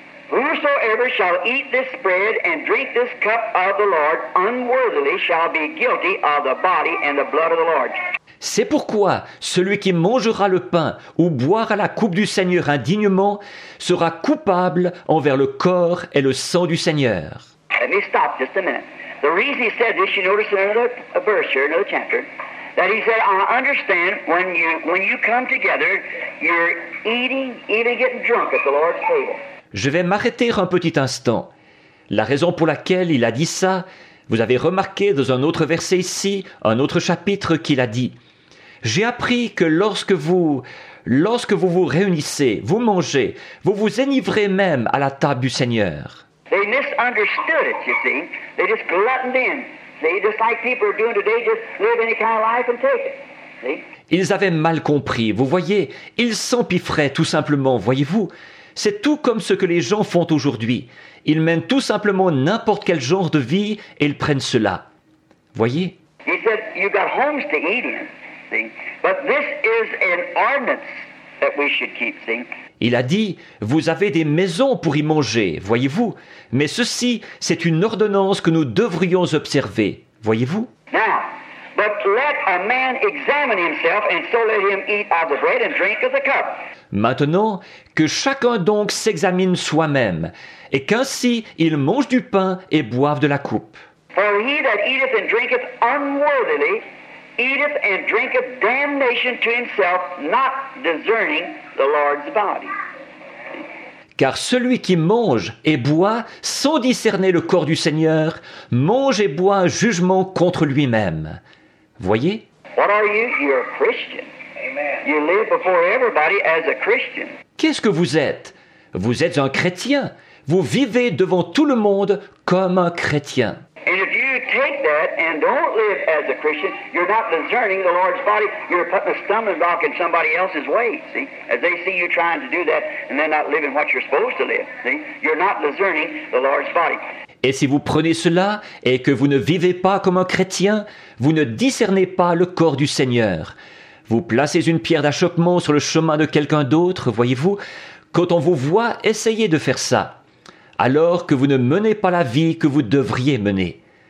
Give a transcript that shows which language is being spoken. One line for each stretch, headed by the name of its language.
English: Whosoever shall eat this bread and drink this cup of the Lord unworthily shall be guilty of the body and the blood of the Lord.
French: C'est pourquoi celui qui mangera le pain ou boira la coupe du Seigneur indignement sera coupable envers le corps et le sang du Seigneur.
English: Let me stop just a minute. The reason he said this, you notice another verse here, another chapter, that he said, I understand when you come together, you're eating, even getting drunk at the Lord's table.
French: Je vais m'arrêter un petit instant. La raison pour laquelle il a dit ça, vous avez remarqué dans un autre verset ici, un autre chapitre qu'il a dit. J'ai appris que lorsque vous réunissez, vous mangez, vous vous enivrez même à la table du Seigneur.
English: They misunderstood it, you see. They just gluttoned in. See, just like people are doing today, just live any kind of life and take it. See?
French: Ils avaient mal compris, vous voyez. Ils s'empiffraient tout simplement, voyez-vous. C'est tout comme ce que les gens font aujourd'hui. Ils mènent tout simplement n'importe quel genre de vie et ils prennent cela. Voyez.
English: He said, you got homes to eat in. But this is an ordinance that we should keep, see?
French: Il a dit, vous avez des maisons pour y manger, voyez-vous. Mais ceci, c'est une ordonnance que nous devrions observer, voyez-vous.
English: Now, but let a man examine himself, and so let him eat of the bread and drink of the cup.
French: Maintenant, que chacun donc s'examine soi-même, et qu'ainsi il mange du pain et boive de la coupe.
English: For he that eateth and drinketh unworthily, eateth and drinketh damnation to himself, not discerning the Lord's body.
French: Car celui qui mange et boit sans discerner le corps du Seigneur mange et boit un jugement contre lui-même. Voyez?
English: What are you? You're a Christian. Amen. You live before everybody as a Christian.
French: Qu'est-ce que vous êtes? Vous êtes un chrétien. Vous vivez devant tout le monde comme un chrétien.
English: And if you take that and don't live as a Christian, you're not discerning the Lord's body. You're putting a stumbling block in somebody else's way, see? As they see you trying to do that and they're not living what you're supposed to live, see? You're not discerning the Lord's body.
French: Et si vous prenez cela et que vous ne vivez pas comme un chrétien, vous ne discernez pas le corps du Seigneur. Vous placez une pierre d'achoppement sur le chemin de quelqu'un d'autre, voyez-vous, quand on vous voit essayer de faire ça. Alors que vous ne menez pas la vie que vous devriez mener.